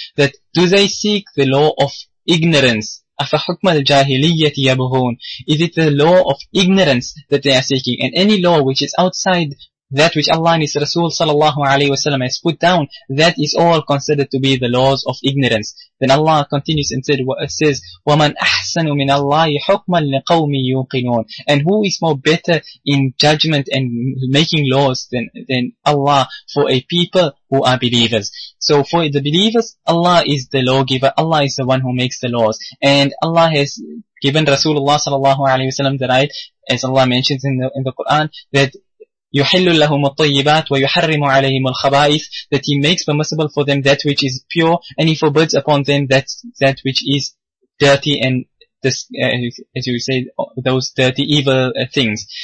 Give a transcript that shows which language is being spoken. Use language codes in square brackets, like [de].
[en] That do they seek the law of ignorance? [ar] أَفَ حُكْمَ الْجَاهِلِيَّةِ يَبْهُغُونَ. [en] Is it the law of ignorance that they are seeking? And any law which is outside that which Allah and His Rasul sallallahu alayhi wa sallam has put down, that is all considered to be the laws of ignorance. Then Allah continues and says, [ar] وَمَنْ أَحْسَنُ مِنَ اللَّهِ حُكْمًا لِقَوْمِ يُوقِنُونَ. [en] And who is more better in judgment and making laws than Allah for a people who are believers? So for the believers, Allah is the lawgiver. Allah is the one who makes the laws. And Allah has given Rasulullah sallallahu alayhi wa sallam the right, as Allah mentions in the Quran, that [ar] يُحِلُّ لَهُمُ الطَّيِّبَاتِ وَيُحَرِّمُ عَلَيْهِمُ الْخَبَائِثِ, [en] that He makes permissible for them that which is pure, and He forbids upon them that which is dirty and, as you say, those dirty evil things.